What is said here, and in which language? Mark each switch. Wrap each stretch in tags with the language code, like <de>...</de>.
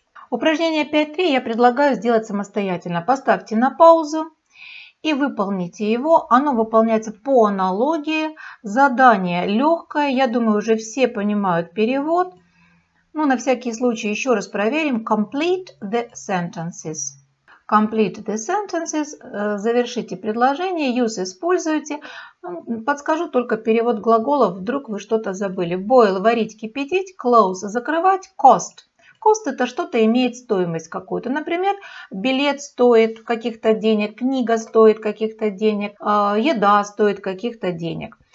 <ru>Упражнение 5.3 я предлагаю сделать самостоятельно. Поставьте на паузу и выполните его. Оно выполняется по аналогии. Задание легкое. Я думаю, уже все понимают перевод. Ну, на всякий случай еще раз проверим.</ru> <en>Complete the sentences. Complete the sentences.</en> <ru>Завершите предложение. Use – используйте. Подскажу только перевод глагола, вдруг вы что-то забыли. Boil – варить, кипятить. Close – закрывать. Cost. Cost – это что-то имеет стоимость какую-то. Например, билет стоит каких-то денег, книга стоит каких-то денег, еда стоит каких-то денег.</ru>